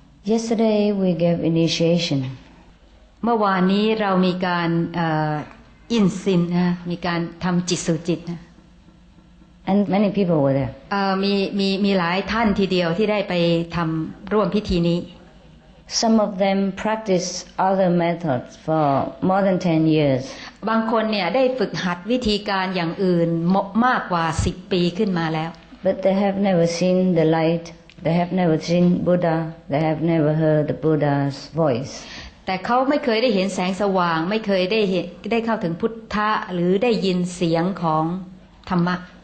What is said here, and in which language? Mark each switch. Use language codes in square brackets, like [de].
[en] yesterday we gave initiation [th] เมื่อวานนี้เรามีการin sin นะมีการทำจิตสู่จิตนะ [en] And many people were there. [th] มีหลายท่านทีเดียวที่ได้ไปทำร่วมพิธีนี้ [en] Some of them practice other methods for more than 10 years. [th] บางคนเนี่ยได้ฝึกหัดวิธีการอย่างอื่นมากกว่า10ปีขึ้นมาแล้ว [en] But they have never seen the light. They have never seen Buddha. They have never heard the Buddha's voice. [th] แต่เขาไม่เคยได้เห็นแสงสว่างไม่เคยได้เข้าถึงพุทธะหรือได้ยินเสียงของธรรมะ